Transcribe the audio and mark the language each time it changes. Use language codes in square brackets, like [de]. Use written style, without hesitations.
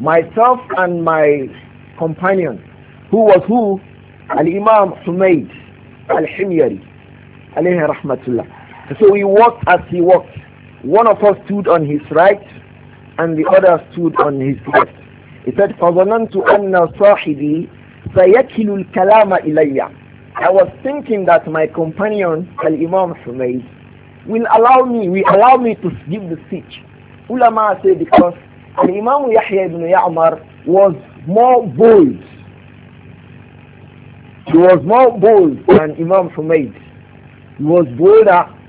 [en] Myself and my companion. Who was who? Al-Imam Humayd Al-Himyari. Alayhi rahmatullah. So we walked as he walked. One of us stood on his right and the other stood on his left. He said, [ar] فَظَنَنْتُ أَنَّ صَاحِبِي سَيَكِلُ الْكَلَامَ إِلَيَّ. [en] I was thinking that my companion, Al-Imam Humayd, will allow me to give the speech. Ulama say because Al-Imam Yahya ibn Ya'mar was more bold. He was more bold than Imam Humayd. He was bolder.